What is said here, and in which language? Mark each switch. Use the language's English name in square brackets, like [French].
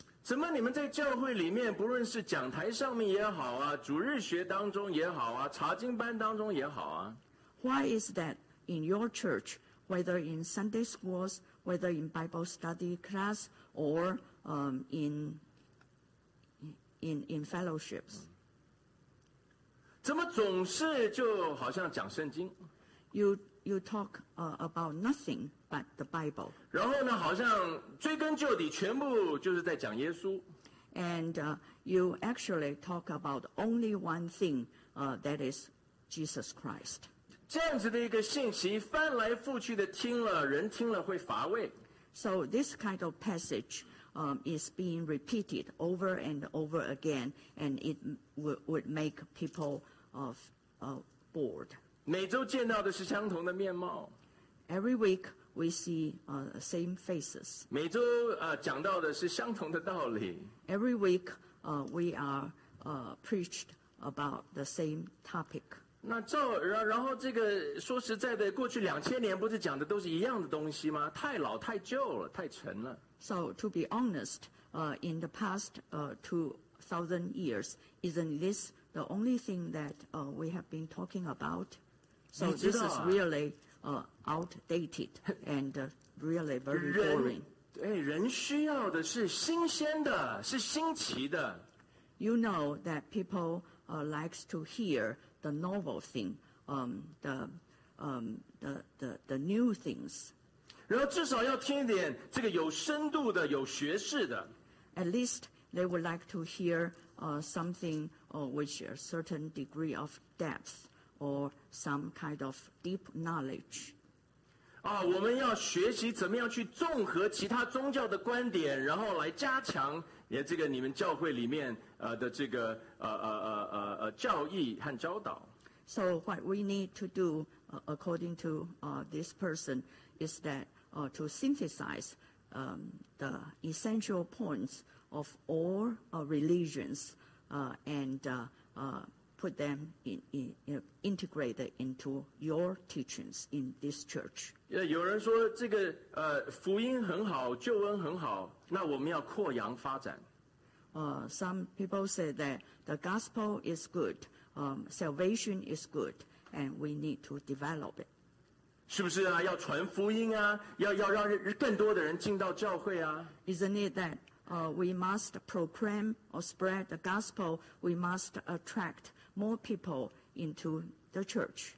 [Chinese] 怎么你们在教会里面，不论是讲台上面也好啊，主日学当中也好啊，查经班当中也好啊， [English] Why is that in your church, whether in Sunday schools, whether in Bible study class, or in fellowships? [Chinese] 怎么总是就好像讲圣经？ [English] You talk about nothing but the Bible. [Chinese] 然后呢，好像追根究底，全部就是在讲耶稣。 [English] And you actually talk about only one thing, that is Jesus Christ. [Chinese] 这样子的一个信息，翻来覆去的听了，人听了会乏味。 [English] So this kind of passage, is being repeated over and over again, and it would make people of bored. [Chinese] 每周见到的是相同的面貌。 [English] Every week we see same faces. [Chinese] 每周讲到的是相同的道理。 [English] Every week we are preached about the same topic. [Chinese] 那然后这个说实在的，过去两千年不是讲的都是一样的东西吗？太老太旧了，太沉了。 [English] So to be honest, in the past 2,000 years, isn't this the only thing that we have been talking about? So this is really outdated and really very boring. [Chinese] 人需要的是新鲜的，是新奇的。 [English] You know that people likes to hear the novel thing, the new things. [Chinese] 然后至少要听一点这个有深度的、有学识的。 [English] At least they would like to hear something with a certain degree of depth or some kind of deep knowledge. [Chinese] 啊，我们要学习怎么样去综合其他宗教的观点，然后来加强这个你们教会里面的这个教义和教导。 [English] So what we need to do, according to this person, is that. To synthesize the essential points of all religions put them integrated into your teachings in this church. [Chinese] Yeah, 有人说这个福音很好，救恩很好，那我们要扩扬发展。 [English] Some people say that the gospel is good, salvation is good, and we need to develop it. [Chinese] 是不是啊？要传福音啊，要让更多的人进到教会啊。 [English] Isn't it that we must proclaim or spread the gospel? We must attract more people into the church.